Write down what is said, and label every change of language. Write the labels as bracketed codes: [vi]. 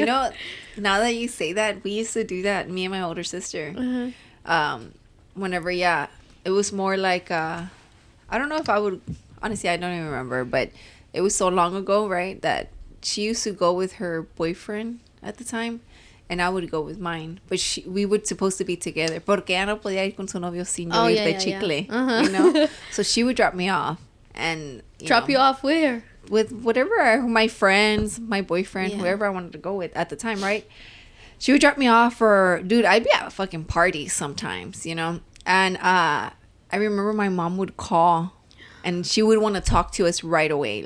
[en] You know, now that you say that, we used to do that, me and my older sister. Whenever, yeah, it was more like, I don't know if I would, honestly, I don't even remember, but it was so long ago, right, that she used to go with her boyfriend at the time, and I would go with mine, but we were supposed to be together. [es] Porque ya no podía ir con su novio sin yo ir de chicle. [en] Yeah. Uh-huh. You know? So she would drop me off. And you off where? With whatever, my friends, my boyfriend, whoever I wanted to go with at the time, right? She would drop me off dude, I'd be at a fucking party sometimes, you know? And I remember my mom would call and she would want to talk to us right away.